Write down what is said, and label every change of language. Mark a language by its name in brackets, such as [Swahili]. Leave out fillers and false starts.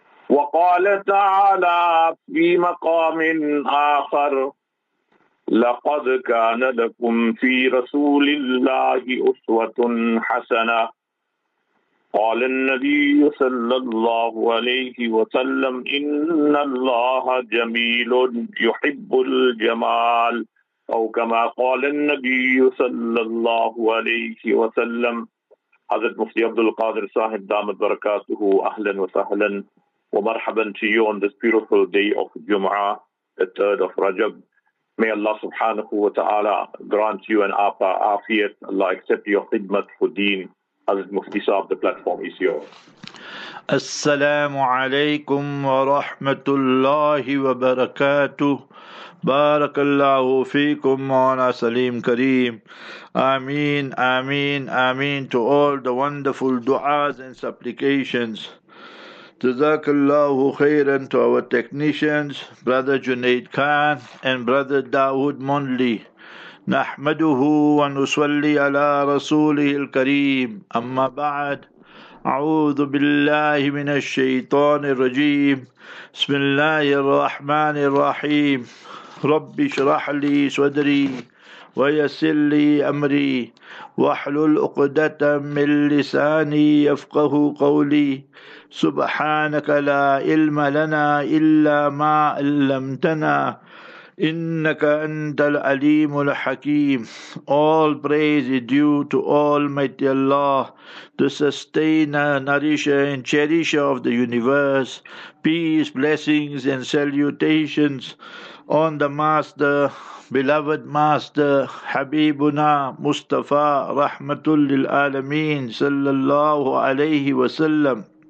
[Arabic] وقال تعالى في مقام آخر: لقد كان لكم في رسول الله أسوة حسنة. قال النبي صلى الله عليه وسلم: إن الله جميل يحب الجمال. أو كما قال النبي صلى الله عليه وسلم. حضرت مفتي عبد القادر صاحب دامت بركاته, أهلا وسهلا ومرحبا [English] to you on this beautiful day of Jum'ah, the 3rd of Rajab. May Allah subhanahu wa ta'ala grant you an apa afiyat. Allah accept your khidmat for deen. Hazrat Mufti Sahib, the platform is yours. Assalamu alaikum wa rahmatullahi wa barakatuh. Barakallahu feekum wa salim kareem. Ameen, ameen, ameen to all the wonderful du'as and supplications. Jazakallahu khairan to our technicians, Brother Junaid Khan and Brother Dawood Monley. [Arabic] نحمده ونصلي على رسوله الكريم أما بعد أعوذ بالله من الشيطان الرجيم بسم الله الرحمن الرحيم رب اشرح لي صدري ويسر لي أمري واحلل عقدة من لساني يفقه قولي سبحانك لا علم لنا إلا ما علمتنا إِنَّكَ أَنْتَ الْعَلِيمُ الْحَكِيمُ. [English] All praise is due to Almighty Allah, the sustainer, nourisher and cherisher of the universe. Peace, blessings and salutations on the Master, beloved Master, Habibuna Mustafa, Rahmatul Lil Alameen, Sallallahu Alaihi Wasallam.